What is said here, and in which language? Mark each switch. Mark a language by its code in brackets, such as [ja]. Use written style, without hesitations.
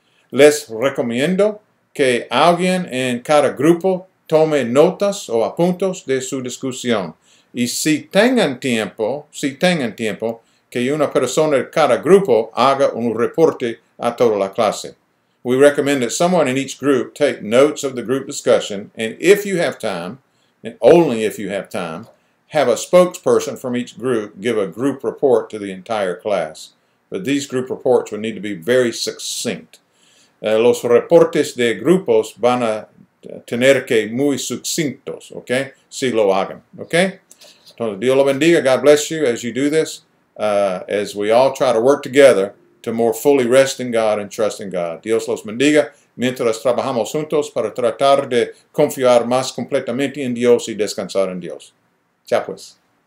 [es] Les recomiendo que alguien en cada grupo tome notas o apuntes de su discusión. Y si tengan tiempo, que una persona de cada grupo haga un reporte a toda la clase. [en] We recommend that someone in each group take notes of the group discussion, and if you have time, and only if you have time, have a spokesperson from each group give a group report to the entire class. But these group reports will need to be very succinct. [es] Los reportes de grupos van a tener que muy succintos, ok? Si lo hagan, ok? Entonces, Dios lo bendiga, [en] God bless you as you do this, as we all try to work together to more fully rest in God and trust in God. [es] Dios los bendiga mientras trabajamos juntos para tratar de confiar más completamente en Dios y descansar en Dios. Chao pues.